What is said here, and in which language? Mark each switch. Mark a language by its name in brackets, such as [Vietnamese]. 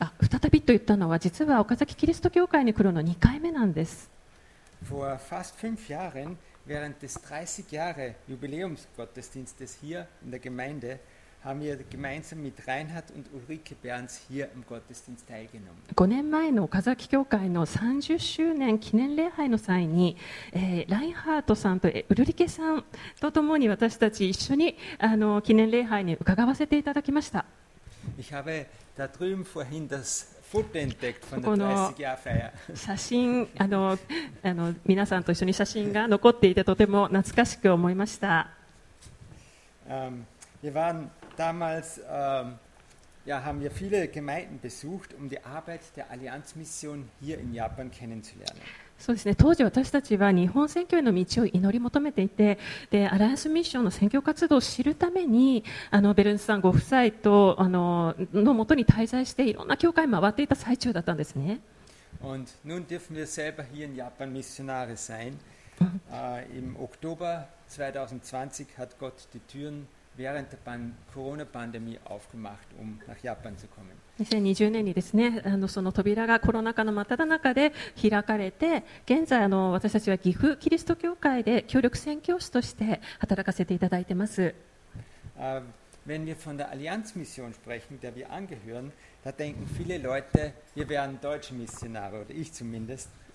[Japanese] 再びと言ったのは実は Okazaki Christ教会に来るの2回目なんです。 [German] Vor fast fünf Jahren, während des 30 Jahre Jubiläumsgottesdienstes hier in der Gemeinde,haben wir gemeinsam mit Reinhard und Ulrike Berns hier im Gottesdienst teilgenommen. [Japanese] 5年前の岡崎教会の30周年記念礼拝の際に、ラインハートさんとウルリケさんとともに私たち一緒に記念礼拝に伺わせていただきました。 [German] Ich habe da drüben vorhin das Foto entdeckt von der 30-Jahr-Feier. [Japanese] 写真、皆さんと一緒に写真が残っていてとても懐かしく思いました。 [German] Wir waren damals, haben wir viele Gemeinden besucht, um die Arbeit der Allianzmission hier in Japan kennenzulernen. [Japanese] そうですね。当時私たちは日本宣教への道を祈り求めていて、で、アライアンスミッションの宣教活動を知るために、ベルンスさんご夫妻と、の元に滞在して、いろんな教会を回っていた最中だったんですね。 [German] Und nun dürfen wir selber hier in Japan Missionare sein. Im Oktober 2020 hat Gott die Türen während der Corona-Pandemie aufgemacht, um nach Japan zu kommen. [Japanese] 2020年にですね、その扉がコロナ禍の真っ只中で開かれて、現在私たちは岐阜キリスト教会で協力宣教師として働かせていただいてます。 [German] Wenn wir von der Allianzmission sprechen, der wir angehören, da denken viele Leute, wir wären deutsche Missionare, oder ich zumindest.